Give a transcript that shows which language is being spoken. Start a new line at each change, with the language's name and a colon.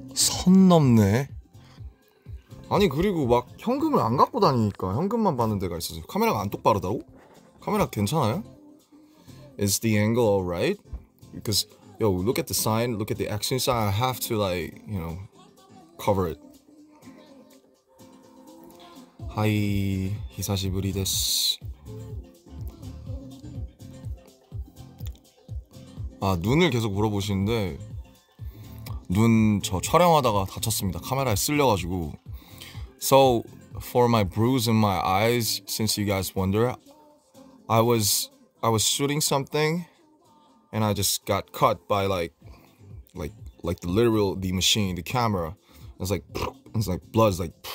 Korean: 선 넘네. 아니 그리고 막 현금을 안 갖고 다니니까 현금만 받는 데가 있어서 카메라가 안 똑바르다고? 카메라 괜찮아요?
English: Is the angle alright? Because yo, look at the sign, look at the action sign. I have to like, you know, cover it.
Japanese: Hi, 久しぶりです.
Korean: 아 눈을 계속 물어보시는데. 눈 저 촬영하다가 다쳤습니다. 카메라에 쓸려가지고.
English: So for my bruise in my eyes, since you guys wonder, I was shooting something, and I just got cut by like the literal the machine, the camera. It's like blood, it's like.